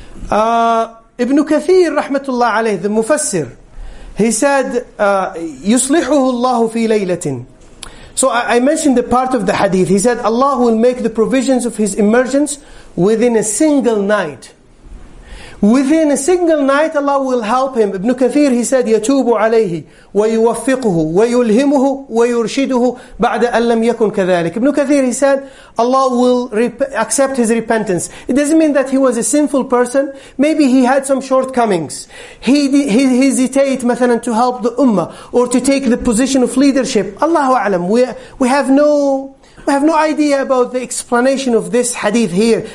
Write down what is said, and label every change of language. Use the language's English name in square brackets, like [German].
[English] Ibn Kathir rahmatullah alayhi, the mufassir, he said, [Arabic] يُصْلِحُهُ اللَّهُ فِي لَيْلَةٍ. [English] So I mentioned the part of the hadith. He said, Allah will make the provisions of his emergence within a single night. Within a single night, Allah will help him. Ibn Kathir, he said, [Arabic] يَتُوبُ عَلَيْهِ وَيُوَفِّقُهُ وَيُلْهِمُهُ وَيُرْشِدُهُ بَعْدَ أَنْ لَمْ يَكُنْ كَذَلِكَ. [English] Ibn Kathir, he said, Allah will accept his repentance. It doesn't mean that he was a sinful person. Maybe he had some shortcomings. He hesitated, مثلا, to help the ummah or to take the position of leadership. Allahu a'lam, we have no idea about the explanation of this hadith here.